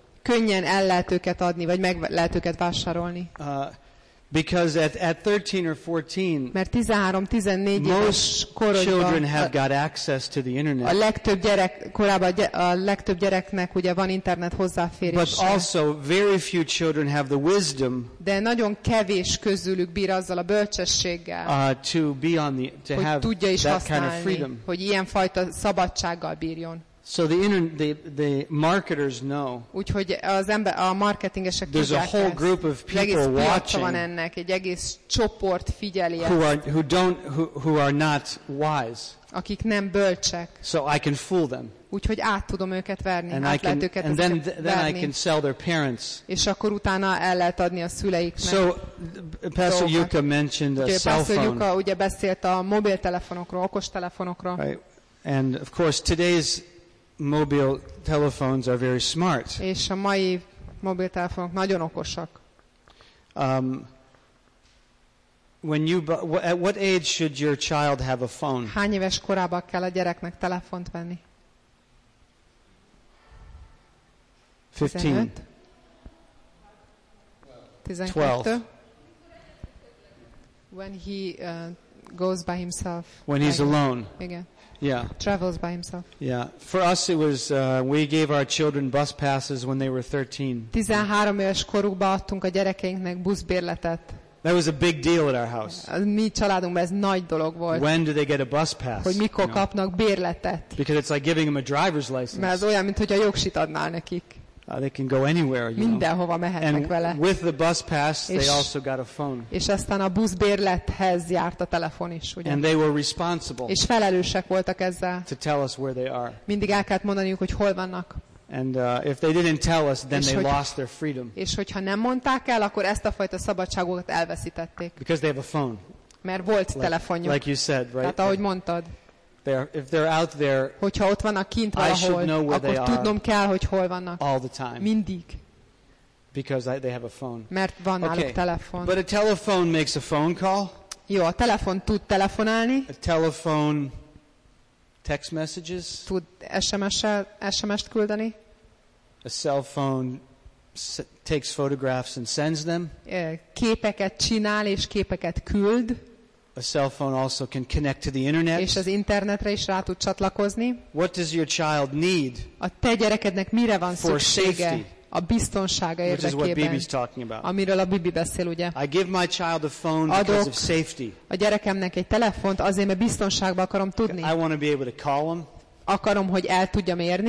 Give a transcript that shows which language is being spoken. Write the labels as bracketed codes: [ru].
[hu] Könnyen el lehet őket adni, vagy meg lehet őket vásárolni. [en] Because at 13 or 14, [hu] mert 13-14 éves korodban [en] children have got access to the internet. [hu] A legtöbb gyerek korábban a legtöbb gyereknek ugye van internet hozzáférése. [en] But also very few children have the wisdom. [hu] De nagyon kevés közülük bír azzal a bölcsességgel. [en] To be on the to [hu] hogy [en] have [hu] tudja is [en] that [hu] használni, [en] kind of freedom. [hu] Hogy ilyen fajta szabadsággal bírjon. [en] So the marketers know. [hu] Úgyhogy az ember a marketingesek tudják. [en] There's a whole group of people watching. [hu] Van ennek egy egész csoport figyeli. [en] Who are not wise. [hu] Akik nem bölcsek. [en] So I can fool them. [hu] Úgyhogy át tudom őket verni. [en] And [hu] át lehet őket [en] and then I can sell their parents. [hu] És akkor utána el lehet adni a szüleiknek. [en] So Pastor Yuka mentioned a cell phone. [hu] Pastor Yuka ugye beszélt a mobiltelefonokról, okostelefonokról. [en] Right. And of course today's mobile telephones are very smart. [hu] És a mai mobiltelefonok nagyon okosak. [en] At what age should your child have a phone? [hu] Hány éves korában kell a gyereknek telefont venni? [en] 15. 12. When he goes by himself. When he's alone. [hu] Igen. [en] Yeah. Travels by himself. Yeah. For us it was we gave our children bus passes when they were 13. [hu] 13 éves korukban adtunk a gyerekeinknek buszbérletet. [en] That was a big deal at our house. [hu] A mi családunkban ez nagy dolog volt. [en] When do they get a bus pass? [hu] Hogy mikor kapnak bérletet? [en] Because it's like giving them a driver's license. [hu] Mert ez olyan, mint hogy a jogsit adnál nekik. [en] They can go anywhere, you [hu] mindenhova [en] know. [hu] Mehetnek [en] and [hu] vele. [en] With the bus pass, they also got a phone. [hu] És aztán a buszbérlethez járt a telefon is, ugye? [en] And they were responsible. [hu] És felelősek voltak ezzel. [en] To tell us where they are. [hu] Mindig el kellett mondaniuk, hogy hol vannak. [en] And if they didn't tell us, then they lost their freedom. [hu] És hogyha nem mondták el, akkor ezt a fajta szabadságot elveszítették. [en] Because they have a phone. [hu] Mert volt telefonjuk. [en] Like you said, right? [hu] Tehát ahogy mondtad. [en] If they're out there, [hu] hogyha ott vannak kint valahol, akkor tudnom kell, hogy hol vannak. [en] All the time. [hu] Mindig. [en] Because they have a phone. [hu] Mert van náluk telefon. [en] But a telephone makes a phone call. [hu] Jó, a telefon tud telefonálni. [en] A telephone text messages. [hu] Tud SMS-t küldeni. [en] A cell phone takes photographs and sends them. [hu] Képeket csinál és képeket küld. [en] a cell phone also can connect to the internet. [hu] És az internetre is rá tud csatlakozni. [en] What does your child need? [hu] A te gyerekednek mire van [en] for [hu] szüksége? [en] Safety. [hu] A biztonsága érdekében, amiről a Bibi beszél, ugye? [en] I give my child a phone because of safety. [hu] A gyerekemnek egy telefont azért, mert biztonságban akarom tudni. [en] I want to be able to call him. [hu] Akarom, hogy el tudjam érni.